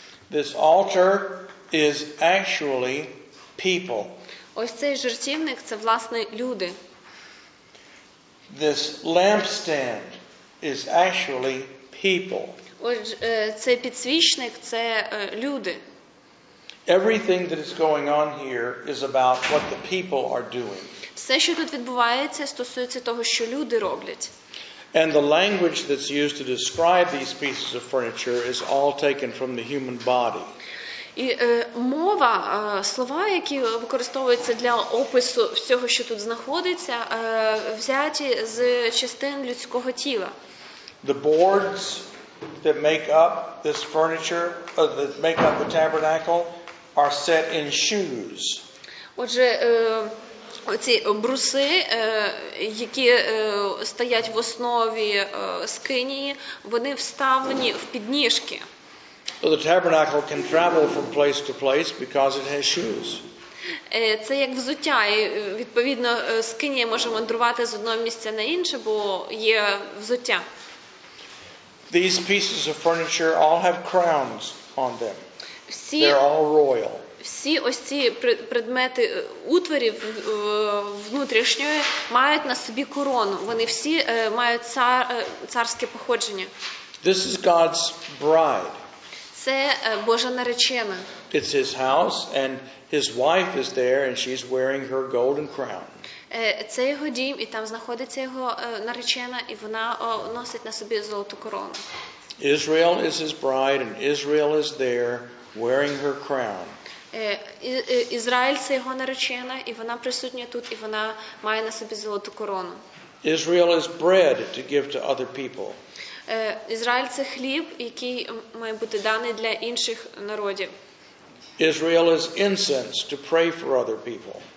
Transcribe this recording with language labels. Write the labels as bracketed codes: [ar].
[en] This altar is actually people. [uk] Ось цей жертівник – це, власне, люди. [en] This lampstand is actually people. [uk] Ось цей підсвічник – це люди. [en] Everything that is going on here is about what the people are doing. [uk] Все, що тут відбувається, стосується того, що люди роблять. [en] And the language that's used to describe these pieces of furniture is all taken from the human body. [uk] І мова, слова, які використовуються для опису всього, що тут знаходиться, взяті з частин людського тіла. [en] The boards that make up this furniture, that make up the tabernacle, are set in shoes. [uk] Отже, оці бруси, які стоять в основі скинії, вони вставлені в підніжки. [en] So the tabernacle can travel from place to place because it has shoes. [uk] Це як взуття, і відповідно скинія може мандрувати з одного місця на інше, бо є взуття. [en] These pieces of furniture all have crowns on them. They're all royal. [uk] Всі ось ці предмети утворів внутрішньої мають на собі корону. Вони всі мають царське походження. [en] This is God's bride. [uk] Це Божа наречена. [en] It's his house and his wife is there and she's wearing her golden crown. [uk] Це його дім, і там знаходиться його наречена, і вона носить на собі золоту корону. [en] Israel is his bride and Israel is there wearing her crown. [uk] Ізраїль – це його наречена, і вона присутня тут, і вона має на собі золоту корону. [en] Israel is bread to give to other people. [uk] Ізраїль – це хліб, який має бути даний для інших народів. [en] Israel is incense to pray for other people.